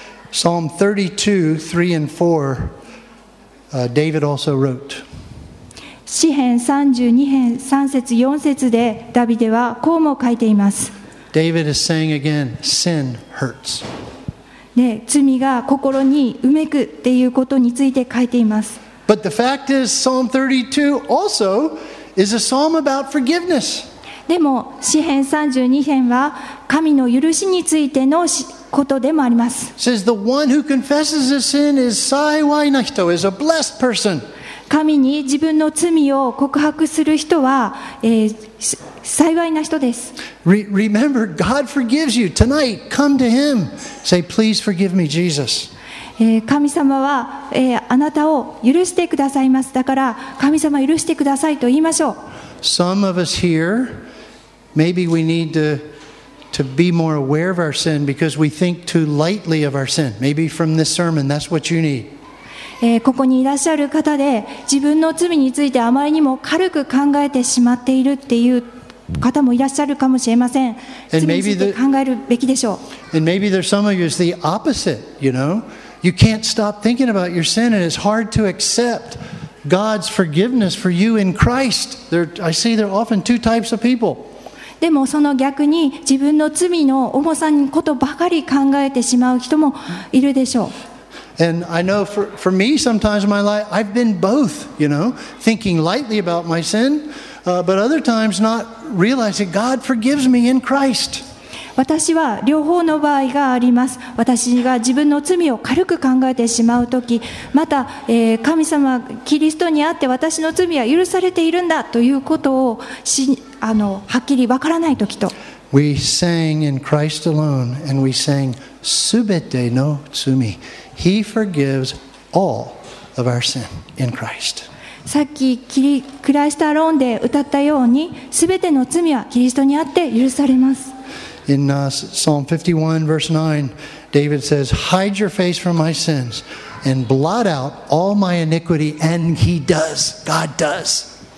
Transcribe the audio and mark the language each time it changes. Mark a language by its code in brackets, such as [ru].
[en] Psalm 32:3 and 4, David also wrote. [ja] 詩編32編3節4節でダビデはこうも書いています。 [en] David is saying again, sin hurts. [ja] で、罪が心にうめくっていうことについて書いています。 [en] But the fact is, Psalm 32 also is a psalm about forgiveness. [ja] でも、詩編32編は神の許しについてのことでもあります。 [en] Says the one who confesses his sin is [ja] 幸いな人, [en] is a blessed person. [ja] 神に自分の罪を告白する人は、幸いな人です。 [en] Remember, God forgives you. Tonight, come to Him. Say, please forgive me, Jesus. [ja] 神様は、あなたを許してくださいます。だから、神様許してくださいと言いましょう。 [en] Some of us here, maybe we need to be more aware of our sin because we think too lightly of our sin. Maybe from this sermon, that's what you need. [ja] ここにいらっしゃる方で自分の罪についてあまりにも軽く考えてしまっているっていう方もいらっしゃるかもしれません。罪について考えるべきでしょう。 [en] And maybe there's some of you is the opposite, you know. You can't stop thinking about your sin and it's hard to accept God's forgiveness for you in Christ. I see there are often two types of people. [ja] でもその逆に自分の罪の重さにことばかり考えてしまう人もいるでしょう。 [en] And I know for me sometimes in my life I've been both, you know, thinking lightly about my sin, but other times not realizing God forgives me in Christ. [ja] 私は両方の場合があります。私が自分の罪を軽く考えてしまうとき、また、神様キリストにあって私の罪は許されているんだということをはっきり分からないときと。 [en] We sang in Christ alone, and we sang [ja] すべての罪。 [en] He forgives all of our sin in Christ. [ja] さっきクライストアローンで歌ったように、すべての罪はキリストにあって許されます。 [en] In Psalm 51, verse 9, David says, Hide your face from my sins, and blot out all my iniquity, and he does, God does.